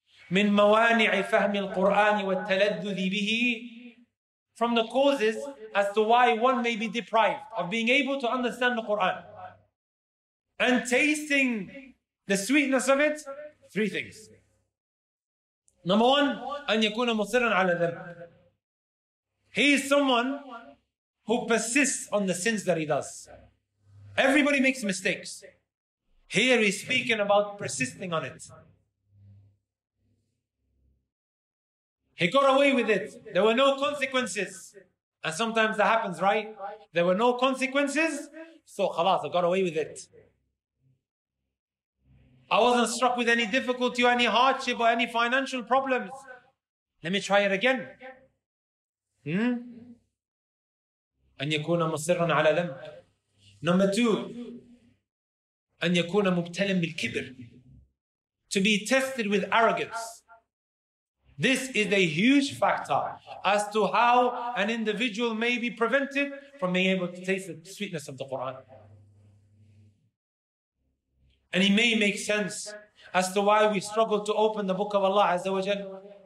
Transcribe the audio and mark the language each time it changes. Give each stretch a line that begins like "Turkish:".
Arabic: مِن مَوَانِعِ فَهْمِ الْقُرْآنِ وَالتَّلَدُّذِ بِهِ.
English: From the causes as to why one may be deprived of being able to understand the Qur'an and tasting the sweetness of it, three things. Number one,
Arabic: أن يكون مصرًا على ذنب.
English: He is someone who persists on the sins that he does. Everybody makes mistakes. Here he's speaking about persisting on it. He got away with it. There were no consequences. And sometimes that happens, right? There were no consequences, so khalas, I got away with it. I wasn't struck with any difficulty or any hardship or any financial problems. Let me try it again.
Arabic: أن يكون مصرا على ذنب.
English: Number two,
Arabic: أن يكون مبتلا بالكبر.
English: To be tested with arrogance. This is a huge factor as to how an individual may be prevented from being able to taste the sweetness of the Quran. And it may make sense as to why we struggle to open the book of Allah Azza wa Jal.